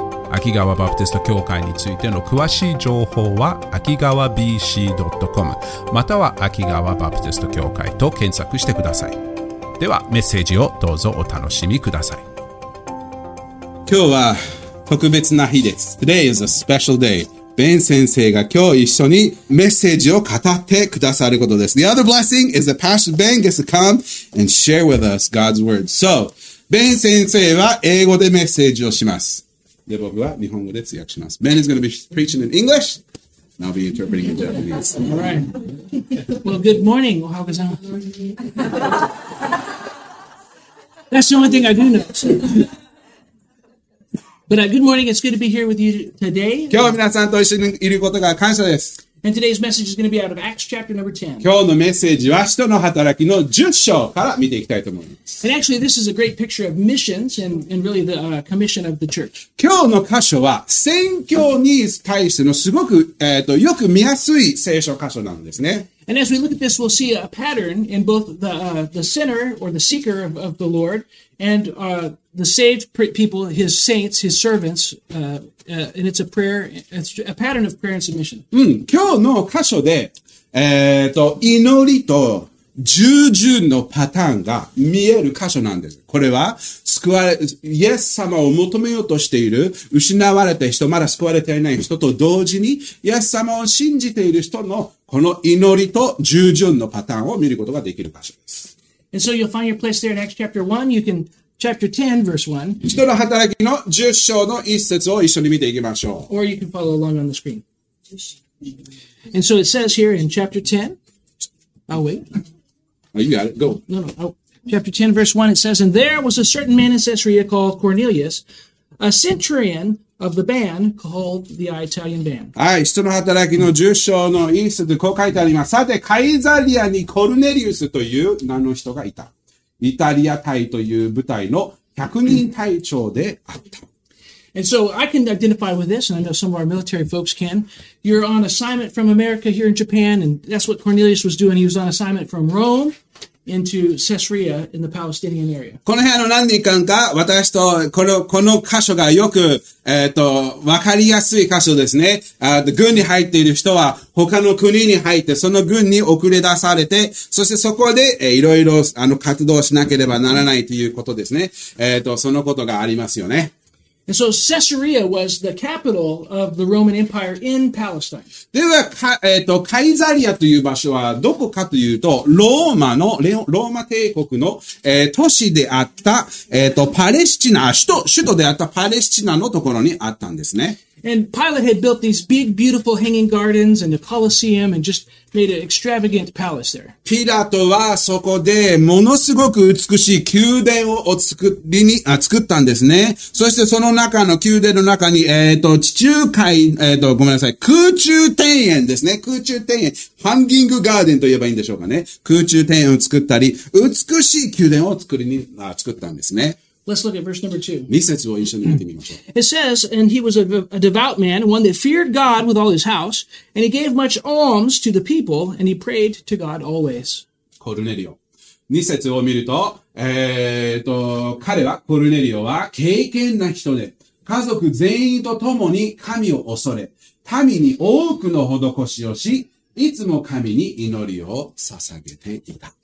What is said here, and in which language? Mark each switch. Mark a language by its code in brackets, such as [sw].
[ja] 秋川バプテスト教会についての詳しい情報は akigawabc.com または秋川バプテスト教会と検索してください。ではメッセージをどうぞお楽しみください。今日は特別な日です。 [en] Today is a special day。 [ja] ベン先生が今日一緒にメッセージを語ってくださることです。 [en] The other blessing is that Pastor Ben gets to come and share with us God's word. [ja] So, ベン先生は英語でメッセージをします。で、僕は日本語で通訳します。 [en] Ben is going to be preaching in English and I'll be interpreting in Japanese. Alright. Well, good morning. That's the only thing I do know. But good morning, it's good to be here with you today. [ja] 今日皆さんと一緒にいることが感謝です。 [en] And today's message is going to be out of Acts chapter number 10. [ja] 今日のメッセージは使徒の働きの10章から見ていきたいと思います。 [en] And actually, this is a great picture of missions and really the commission of the church. [ja] 今日の箇所は宣教に対してのすごく、よく見やすい聖書箇所なんですね。 [en] And as we look at this, we'll see a pattern in both the sinner or the seeker of the Lord and the saved people, his saints, his servants, and it's a prayer, it's a pattern of prayer and submission. [ja] 今日の箇所で、祈りと従順のパターンが見える箇所なんです。これは救われ、イエス様を求めようとしている失われた人、まだ救われていない人と同時にイエス様を信じている人のこの祈りと従順のパターンを見ることができる箇所です。 [en] And so you'll find your place there in Acts chapter 1. You can chapter 10 verse 1. [ja] 使徒の働きの10章の一節を一緒に見ていきましょう。 [en] Or you can follow along on the screen. And so it says here in chapter 10. I'll wait. Oh, you got it. Go. No. Oh. Chapter 10 verse 1 it says, And there was a certain man in Caesarea called Cornelius, a centurion. Of the band called the Italian band. [ja] はい、使徒の働きの10章の一節でこう書いてあります。さて、カイザリアにコルネリウスという名の人がいた。イタリア隊という部隊の100人隊長であった。 [en] And so I can identify with this, and I know some of our military folks can. You're on assignment from America here in Japan, and that's what Cornelius was doing. He was on assignment from Rome. Into Caesarea in the Palestinian area. [ja] この辺の何人間か、私とこの箇所がよく、分かりやすい箇所ですね。軍に入っている人は他の国に入って、その軍に送り出されて、そしてそこで、いろいろ活動しなければならないということですね。そのことがありますよね。 [en] And so Caesarea was the capital of the Roman Empire in Palestine. [ja] では、カイザリアという場所はどこかというと、ローマ帝国の、都市であった、パレスチナ、首都であったパレスチナのところにあったんですね。 [en] And Pilate had built these big, beautiful hanging gardens and the Colosseum and just made an extravagant palace there. [ja] ピラトはそこでものすごく美しい宮殿を作ったんですね。そしてその中の宮殿の中に、地中海、ごめんなさい、空中庭園ですね。空中庭園。ハンギングガーデンと言えばいいんでしょうかね。空中庭園を作ったり、美しい宮殿を作ったんですね。 [en] Let's look at verse number 2. [ja] 二節を一緒に見てみましょう。 [en] It says, and he was a devout man, one that feared God with all his house, and he gave much alms to the people, and he prayed to God always. [ja] コルネリオ。二節を見ると、彼は、コルネリオは、敬虔な人で、家族全員と共に神を恐れ、民に多くの施しをし、いつも神に祈りを捧げていた。